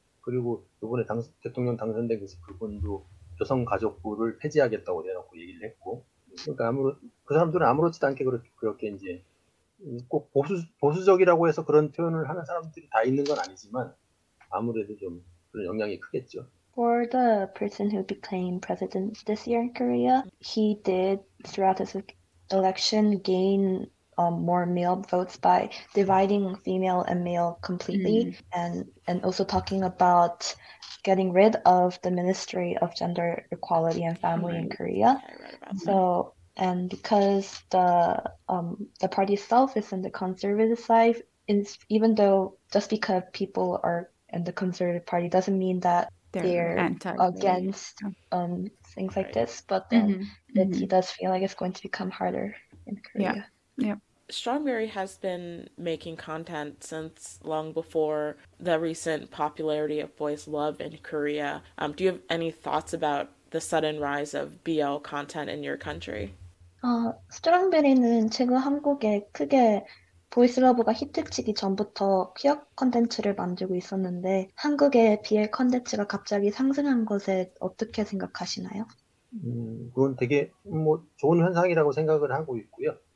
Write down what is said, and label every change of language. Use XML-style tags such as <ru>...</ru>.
<ko>그리고 이번에 대통령 당선된 그분도 여성 가족부를 폐지하겠다고 대놓고 얘기를 했고, 그러니까 그 사람들은 아무렇지도 않게 그렇게 이제 꼭 보수적이라고 해서 그런 표현을 하는 사람들이 다 있는 건 아니지만 아무래도 좀 그런 영향이 크겠죠.</ko> <en>For the person who became president this year in Korea, he did throughout his election gain more male votes by dividing female and male completely mm-hmm. and also talking about getting rid of the Ministry of Gender Equality and Family mm-hmm. in Korea. Yeah, so and because the party itself is in the conservative side, even though just because people are in the conservative party doesn't mean that they're against things like right. this, but then mm-hmm. that mm-hmm. he does feel like it's going to become harder in Korea. Yeah. Yeah. Strawberry has been making content since long before the recent popularity of Boys Love in Korea. Do you have any thoughts about the sudden rise of BL content in your country?</en> <ko>Strongberry는 최근 한국에 크게 보이스러브가 히트치기 전부터 퀴어 콘텐츠를 만들고 있었는데 한국의 BL 콘텐츠가 갑자기 상승한 것에 어떻게 생각하시나요? 그건 되게 뭐 좋은 현상이라고 생각을 하고 있고요.</ko>